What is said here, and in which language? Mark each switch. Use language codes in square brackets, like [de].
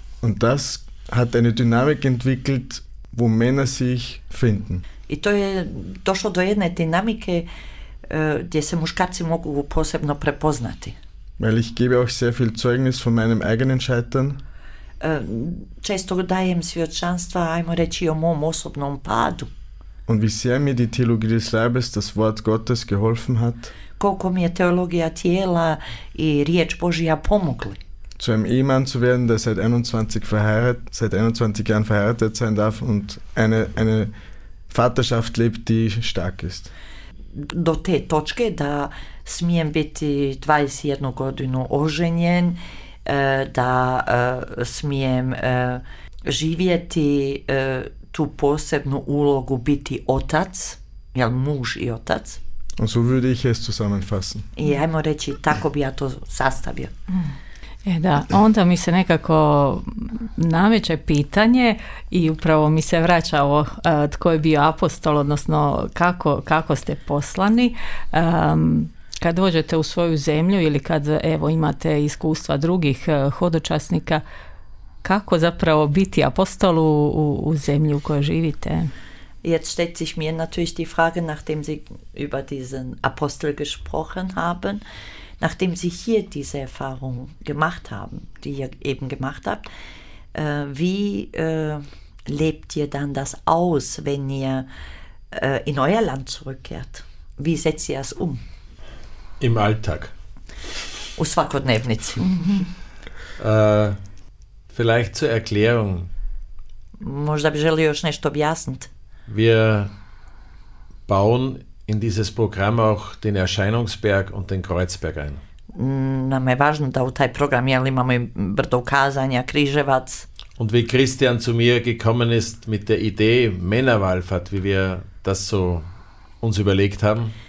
[de] Und das hat eine Dynamik entwickelt, wo Männer sich finden. [hr] I to je došlo do jedne dinamike gdje se muškarci mogu posebno prepoznati. [de] Weil ich gebe auch sehr viel Zeugnis von meinem eigenen Scheitern. [hr] Često dajem svjedočanstva, ajmo reći, o mom osobnom padu. [de] Und wie sehr mir die Theologie des Leibes, das Wort Gottes, geholfen hat. [hr] Koliko mi je teologija tijela i riječ Božja pomogli. [de] Zu einem Ehemann zu werden, der seit 21 Jahren verheiratet sein darf und eine Vaterschaft lebt, die stark ist. [hr] Do te točke da smijem biti 21 godinu oženjen, da smijem živjeti tu posebnu ulogu, biti otac, jel muž i otac. [de] Und so würde ich es zusammenfassen. [hr] I ajmo reći, tako bi ja to sastavio. Da, onda mi se nekako nameće pitanje i upravo mi se vraća ovo tko je bio apostol, odnosno kako ste poslani. Kad dođete u svoju zemlju ili kad evo imate iskustva drugih hodočasnika, kako zapravo biti apostol u zemlji u kojoj živite? [de] Jetzt stellt sich mir natürlich die Frage, nachdem Sie über diesen Apostel gesprochen haben, nachdem Sie hier diese Erfahrung gemacht haben, die ihr eben gemacht habt, wie lebt ihr dann das aus, wenn ihr in euer Land zurückkehrt? Wie setzt ihr es um? Im Alltag. [hr] U svakodnevnici. [de] Vielleicht zur Erklärung. [hr] Možda bi želio još nešto objasniti. [de] Wir bauen in dieses Programm auch den Erscheinungsberg und den Kreuzberg ein. [hr] Nam je važno da u taj program jel imamo i brdo ukazanja, Križevac. [de] Und wie Christian zu mir gekommen ist mit der Idee Männerwallfahrt, wie wir das so uns überlegt haben.